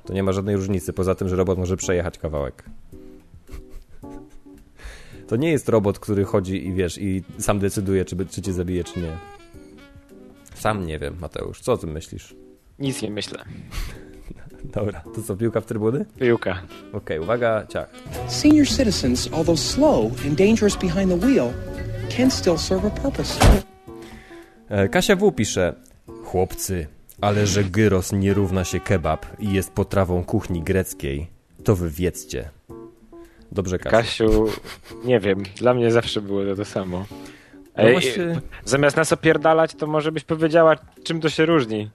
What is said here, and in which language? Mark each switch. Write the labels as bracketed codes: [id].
[pl] To nie ma żadnej różnicy, poza tym, że robot może przejechać kawałek. To nie jest robot, który chodzi i wiesz, i sam decyduje, czy cię zabije, czy nie. Sam nie wiem, Mateusz. Co o tym myślisz? Nic nie myślę. Dobra, to co, piłka w trybuny? Piłka. Okej, uwaga, ciach. [en] Senior citizens, although slow and dangerous behind the wheel, can still serve a purpose. [pl] Kasia W. pisze: chłopcy, ale że gyros nie równa się kebab i jest potrawą kuchni greckiej, to wy wiedzcie. Dobrze, Kasia. Kasiu, nie wiem, dla mnie zawsze było to samo. No właśnie... zamiast nas opierdalać, to może byś powiedziała, czym to się różni.